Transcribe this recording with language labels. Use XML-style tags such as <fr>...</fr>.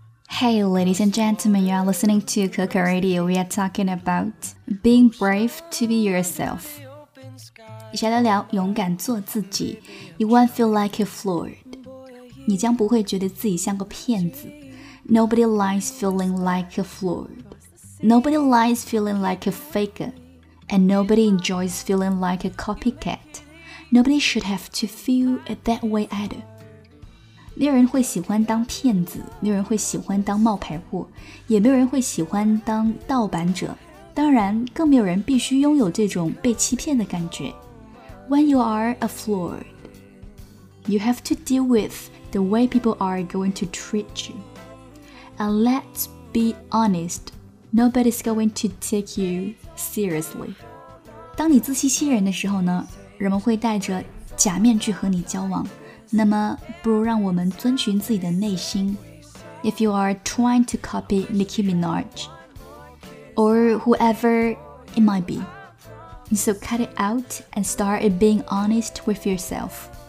<en>Hey, ladies and gentlemen, you are listening to Coco Radio. We are talking about being brave to be yourself.</en> <zh>一起来聊聊勇敢做自己。</zh> <en>You won't feel like a fool.</en> <zh>你将不会觉得自己像个骗子。</zh> <en>Nobody likes feeling like a fool. Nobody likes feeling like a faker. And nobody enjoys feeling like a copycat. Nobody should have to feel that way either.</en> <zh>没有人会喜欢当骗子，没有人会喜欢当冒牌货，也没有人会喜欢当盗版者。当然，更没有人必须拥有这种被欺骗的感觉。</zh> <en>When you are a fool, you have to deal with the way people are going to treat you. And let's be honest, nobody's going to take you seriously.</en> <zh>当你自欺欺人的时候呢，人们会带着假面具和你交往。那么不如让我们遵循自己的内心。</zh> <en>If you are trying to copy Nicki Minaj or whoever it might be, so cut it out and start being honest with yourself.</en>